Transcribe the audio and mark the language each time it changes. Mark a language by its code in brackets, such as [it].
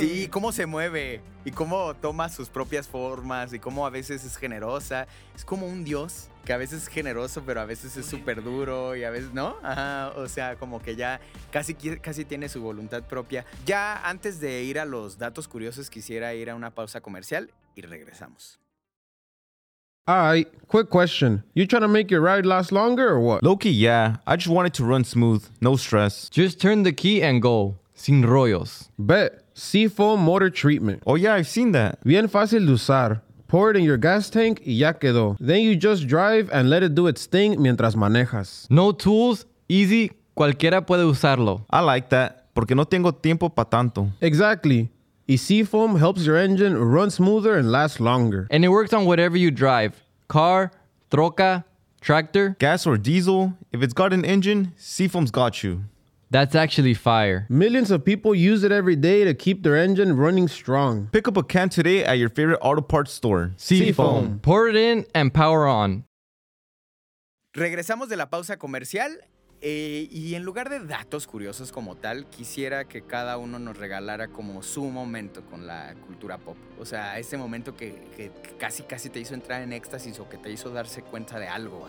[es] Sí, cómo se mueve y cómo toma sus propias formas y cómo a veces es generosa. Es como un dios que a veces es generoso, pero a veces es súper duro y a veces, ¿no? Ajá, o sea, como que ya casi tiene su voluntad propia. Ya antes de ir a los datos curiosos, quisiera ir a una pausa comercial y regresamos. [en] Alright, quick question. You trying to make your ride last longer or what? Low-key, yeah. I just want it to run smooth. No stress. Just turn the key and go. [es] Sin rollos. [en] Bet. Seafoam motor treatment. Oh yeah, I've seen that. [es] Bien fácil de usar. [en] Pour it in your gas tank [es] y ya quedó. [en] Then you just drive and let it do its thing [es] mientras manejas. [en] No tools. Easy. [es] Cualquiera puede usarlo. [en] I like that. [es] Porque no tengo tiempo para tanto. [en] Exactly. Y Seafoam helps your engine run smoother and last longer. And it works on whatever you drive. Car, troca, tractor. Gas or diesel. If it's got an engine, Seafoam's got you. That's actually fire. Millions of people use it every day to keep their engine running strong. Pick up a can today at your favorite auto parts store. Seafoam. Pour it in and power on. [es] Regresamos de la pausa comercial. Y en lugar de datos curiosos como tal, quisiera que cada uno nos regalara como su momento con la cultura pop. O sea, ese momento que casi te hizo entrar en éxtasis o que te hizo darse cuenta de algo.